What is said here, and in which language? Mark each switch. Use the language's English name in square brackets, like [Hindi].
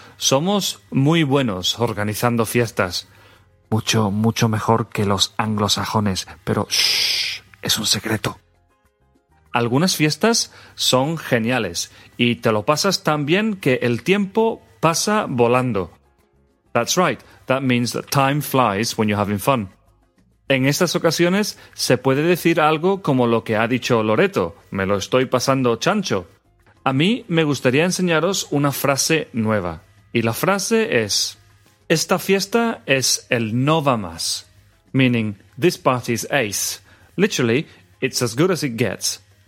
[Spanish] Somos muy buenos organizando fiestas. Mucho, mucho mejor que los anglosajones, pero ¡shh! Es un secreto. Algunas fiestas son geniales y te lo pasas tan bien que el tiempo pasa volando. [English] That's right, that means that time flies when you're having fun. [Spanish] En estas ocasiones se puede decir algo como lo que ha dicho Loreto, me lo estoy pasando chancho. A mí me gustaría enseñaros una frase nueva. Y la frase es, esta fiesta es el no va más. [English] Meaning, this party is ace. Literally, it's as good as it gets.